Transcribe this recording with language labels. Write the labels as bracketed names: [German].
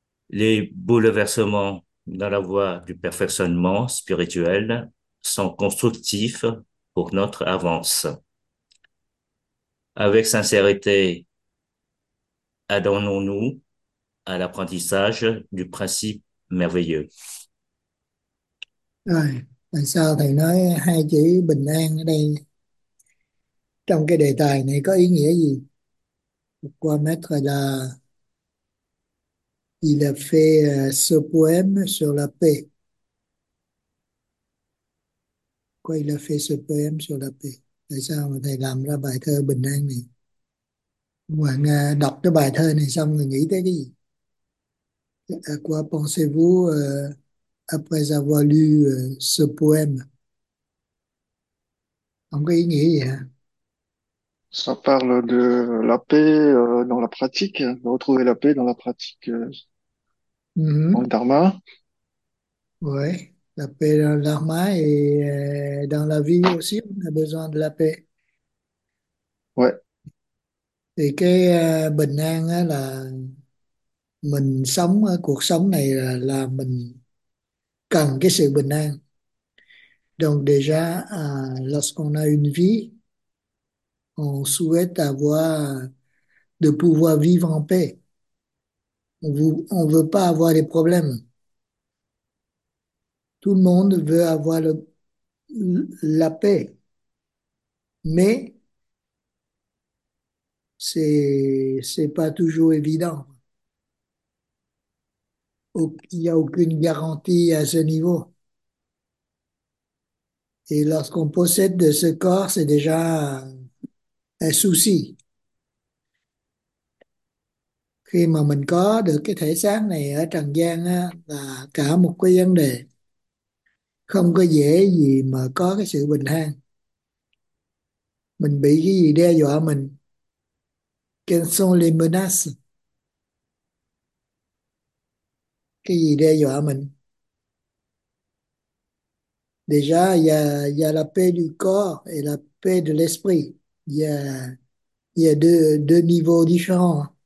[French] Les bouleversements dans la voie du perfectionnement spirituel sont constructifs pour notre avance. Avec sincérité, adonnons-nous à l'apprentissage du principe merveilleux. [Vietnamese] Rồi, tại sao thầy nói hai chữ bình an ở đây trong cái đề tài này có ý nghĩa gì? Qua mét thôi là [French] il a fait ce poème sur la paix. Qua il a fait ce poème sur la paix. [Vietnamese] Tại sao mà thầy làm ra bài thơ bình an này? Bạn đọc cái bài thơ này xong rồi nghĩ tới cái gì? [French] À, quoi pensez-vous après avoir lu ce poème? [Vietnamese] Không có ý nghĩa gì hả? [French] Ça parle de la paix dans la pratique, de retrouver la paix dans la pratique dans le dharma. Ouais, la paix dans l'armée et dans la vie aussi, on a besoin de la paix. Ouais. [Vietnamese] Thì cái bình an á, là mình sống ở cuộc sống này là mình cần cái sự bình an. [French] Donc déjà, lorsqu'on a une vie, on souhaite avoir, de pouvoir vivre en paix. On ne veut pas avoir des problèmes. Tout le monde veut avoir la paix. Mais ce n'est pas toujours évident. Il n'y a aucune garantie à ce niveau. Et lorsqu'on possède de ce corps, c'est déjà un souci. [Vietnamese] Khi mà mình có được cái thể xác này ở trần gian á, là cả một cái vấn đề. Không có dễ gì mà có cái sự bình an. Mình bị cái gì đe dọa mình? [French] Quelles sont les menaces? [Vietnamese] Cái gì đe dọa mình? [French] Déjà, il y a la paix du corps et la paix de l'esprit. Il y a deux niveaux différents.